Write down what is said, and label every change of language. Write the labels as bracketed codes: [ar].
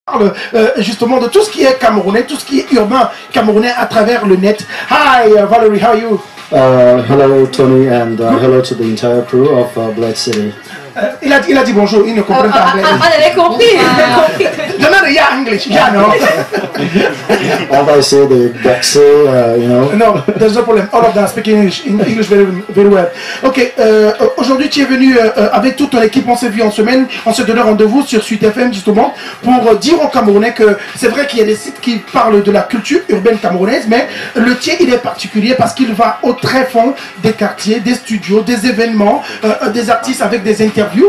[fr] parle justement de tout ce qui est camerounais, tout ce qui est urbain camerounais à travers le net. [en] Hi Valerie, how are you? Hello Tony and hello to the entire crew of Blade City. [fr] Il a dit bonjour, il ne comprend pas anglais. Ah, elle avait compris. Non, non, il y a anglais, il y a non. [en] As I said, the Brexit, you know. No, there's no problem. All of them speaking English, English very, very well. [fr] Ok, aujourd'hui tu es venu avec toute ton équipe, on s'est vu en semaine, on s'est donné rendez-vous sur Suite FM justement pour dire aux Camerounais que c'est vrai qu'il y a des sites qui parlent de la culture urbaine camerounaise, mais le tien il est particulier parce qu'il va au très fond des quartiers, des studios, des événements, des artistes avec des interviews.